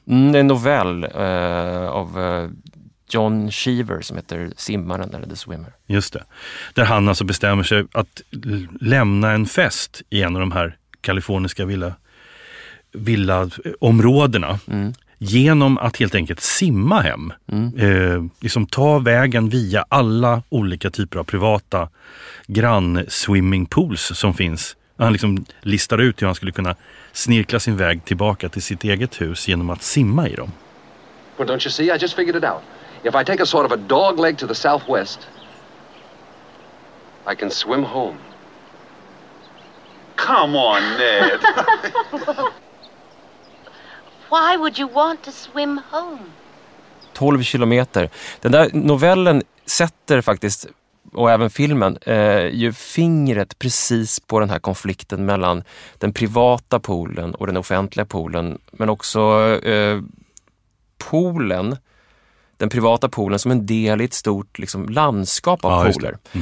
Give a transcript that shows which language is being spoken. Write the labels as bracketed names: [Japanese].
[Swedish] Mm, en novell av... John Cheever som heter Simmaren eller The Swimmer. Just det. Där han alltså bestämmer sig att lämna en fest i en av de här kaliforniska villaområdena. Genom att helt enkelt simma hem. Mm. Liksom ta vägen via alla olika typer av privata grann-swimmingpools som finns. Han liksom listar ut hur han skulle kunna snirkla sin väg tillbaka till sitt eget hus genom att simma i dem. [English] Well, don't you see? I just figured it out. If I take a sort of a dog leg to the southwest, I can swim home. Come on, Ned. Why would you want to swim home? [Swedish] 12 kilometer. Den där novellen sätter faktiskt, och även filmen, ju fingret precis på den här konflikten mellan den privata poolen och den offentliga poolen. Men också poolen, den privata poolen, som en del i ett stort liksom landskap av pooler.